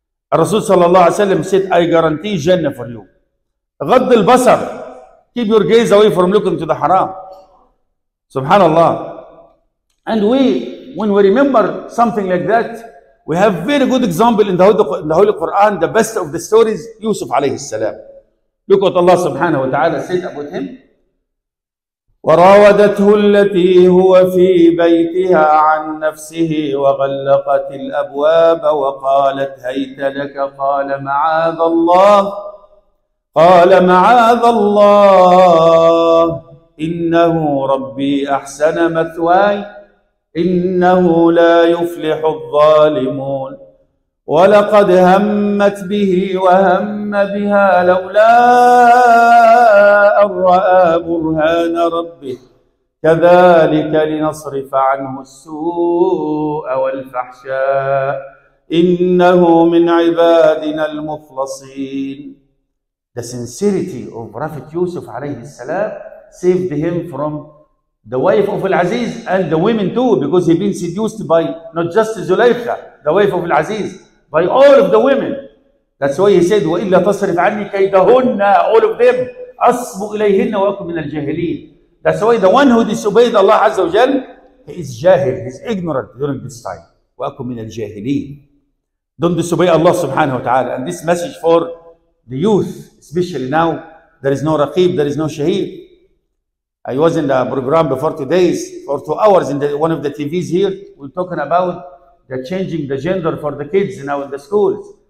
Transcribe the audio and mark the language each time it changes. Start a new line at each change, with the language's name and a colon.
English: Rasul sallallahu alayhi wa sallam said, I guarantee Jannah for you.
Arabic: غض البصر,
English: keep your gaze away from looking to the haram. Subhanallah. And we, when we remember something like that, we have very good example in the Holy Quran, the best of the stories, Yusuf alayhi salam. Look what Allah subhanahu wa ta'ala said about him.
Arabic: وراودته التي هو في بيتها عن نفسه وغلقت الأبواب وقالت هيت لك قال معاذ الله قال معاذ الله إنه ربي أحسن مثواي إنه لا يفلح الظالمون ولقد همت به وهم بها لولا أن رأى برهان ربه كذلك لنصرف عنه السوء والفحشاء إنه من عبادنا المخلصين.
English: The sincerity of Prophet Yusuf عليه السلام saved him from the wife of Al-Aziz and the women too because he'd been seduced by not just Zulaykha, the wife of Al-Aziz. By all of the women.
Arabic: تسويه سيد والا تصرف عني كيدهن
English: all of them
Arabic: اصب اليهن واكن من الجاهلين.
English: That's why the one who disobeyed Allah عز وجل is جاهل, he's ignorant during this time.
Arabic: واكن من الجاهلين.
English: Don't disobey Allah سبحانه وتعالى. And this message for the youth, especially now, there is no raqib, there is no shaheed. I was in the program before 2 days, for 2 hours in the, one of the TVs here, we're talking about the changing the gender for the kids now in the schools.